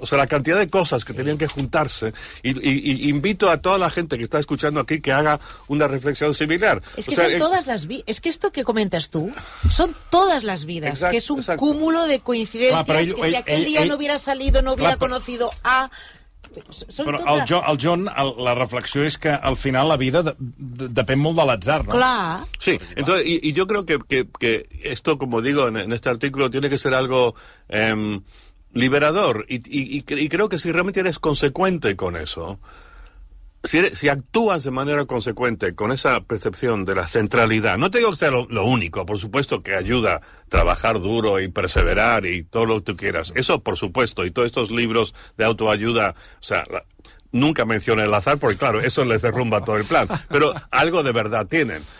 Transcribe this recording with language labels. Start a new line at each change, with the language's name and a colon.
Spanish: O sea, la cantidad de cosas que tenían que juntarse... Y invito a toda la gente que está escuchando aquí que haga una reflexión similar. Es que es que esto que comentas tú, son todas las vidas. Exacto, que es un cúmulo de coincidencias, no hubiera salido, no hubiera conocido a...
Catalan: Però el John, la reflexió és que al final la vida depèn molt de l'atzar, no? Clar.
Spanish: Sí, entonces, y yo creo que esto, como digo en este artículo, tiene que ser algo liberador. Y creo que si realmente eres consecuente con eso, si actúas de manera consecuente con esa percepción de la centralidad, no te digo que sea lo único, por supuesto que ayuda trabajar duro y perseverar y todo lo que tú quieras, eso por supuesto, y todos estos libros de autoayuda, o sea, nunca menciona el azar, porque claro, eso les derrumba todo el plan, pero algo de verdad tienen.